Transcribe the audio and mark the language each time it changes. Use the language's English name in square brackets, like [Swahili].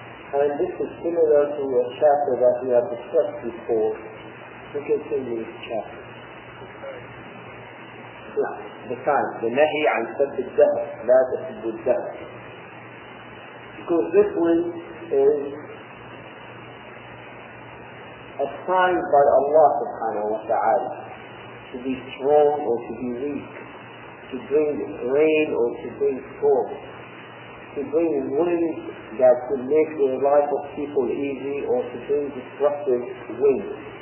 [English] And this is similar to a chapter that we have discussed before. Look at the previous chapter. The time, the [Arabic] نهي عن سب الدهر, لا تسب الدهر. [English] Because this wind is assigned by Allah subhanahu wa ta'ala to be strong or to be weak, to bring rain or to bring storm, to bring wind that could make the life of people easy or to bring destructive wind.